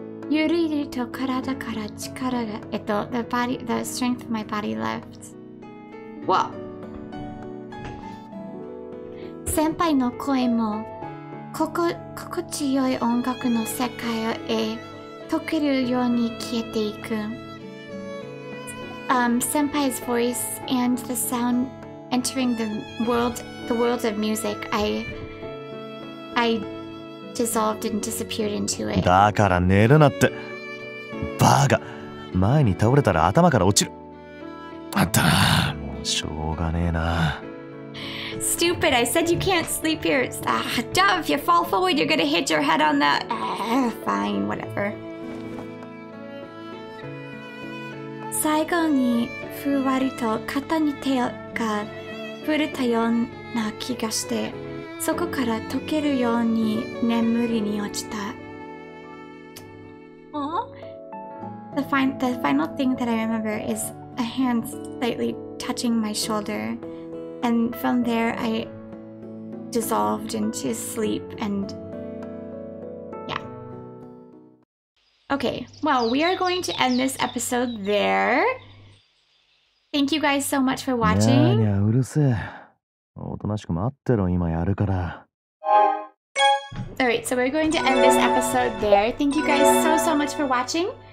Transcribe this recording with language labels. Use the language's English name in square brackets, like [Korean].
[Japanese] ゆるゆると体から力が、 [English] the strength of my body left. Whoa. [Japanese] 先輩の声も、心地よい音楽の世界へ溶けるように消えていく。 [English] Senpai's voice and the sound entering the world of music, I dissolved and disappeared into it. [Japanese] だから寝るなって。バカ、前に倒れたら頭から落ちる。あったな、もうしょうがねえな。 [English] Stupid, I said you can't sleep here. It's the dove. You fall forward, you're gonna hit your head on the... fine, whatever. 最後にふわりと肩に手が触れたような気がして、そこから溶けるように眠りに落ちた。 Aww. The final thing that I remember is a hand slightly touching my shoulder. And from there, I dissolved into sleep and... Yeah. Okay, well, we are going to end this episode there. Thank you guys so much for watching. [Japanese] いやいや、うるせえ。おとなしく待ってろ、今やるから。 [English] Alright, so we're going to end this episode there. Thank you guys so, so much for watching.